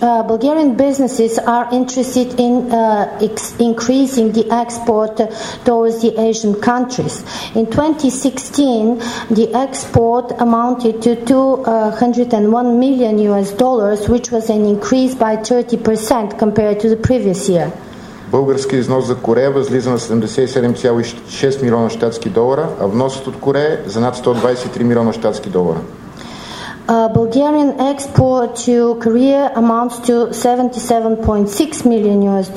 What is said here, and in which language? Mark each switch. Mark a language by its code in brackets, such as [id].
[en] Bulgarian businesses are interested in increasing the export towards the Asian countries. In 2016, the export amounted to $201 million, which was an increase by 30% compared to the previous year. [bg] Български износ за Корея възлиза на 77,6 милиона щатски долара, а вносът от Корея за над 123 милиона щатски долара. [en] Bulgarian export to Korea amounts to $77.6 million.